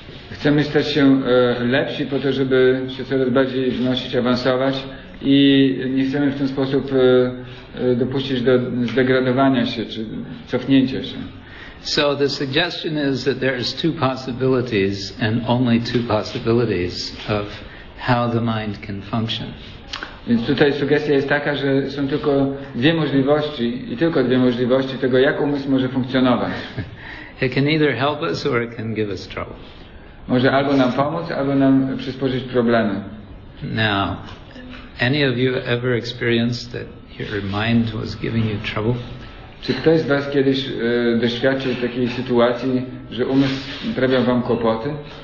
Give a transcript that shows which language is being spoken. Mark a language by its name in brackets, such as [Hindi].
[Polish] Chcemy stać się lepsi po to, żeby się coraz bardziej wznosić, awansować i nie chcemy w ten sposób dopuścić do zdegradowania się, czy cofnięcia się. [English] So the suggestion is that there is two possibilities and only two possibilities of how the mind can function. [Polish] Więc tutaj sugestia jest taka, że są tylko dwie możliwości i tylko dwie możliwości tego, jak umysł może funkcjonować. [English] It can either help us or it can give us trouble. [Polish] Może albo nam pomóc, albo nam przysporzyć problemy. [English] Now, any of you ever experienced that your mind was giving you trouble? [Polish] Czy ktoś z was kiedyś doświadczył takiej sytuacji, że umysł sprawiał wam kłopoty?